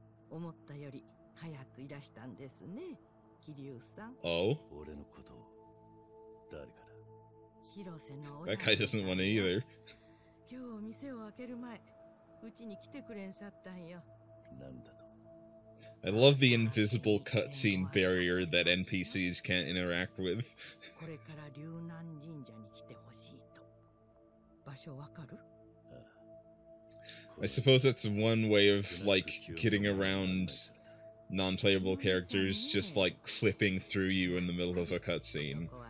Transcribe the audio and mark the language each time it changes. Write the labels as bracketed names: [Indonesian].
[Japanese] 思ったより早くいらしたんですね、キリュウさん。 [English] Oh? [Japanese] 俺のことを誰から？広瀬の親分。 [English] That guy doesn't want it either. [Japanese] 今日店を開ける前、うちに来てくれんさったんよ。なんだと？ [English] I love the invisible cutscene barrier that NPCs can't interact with. [Japanese] これから龍南神社に来てほしいと。場所わかる？ [English] I suppose that's one way of, like, getting around non-playable characters just, like, clipping through you in the middle of a cutscene.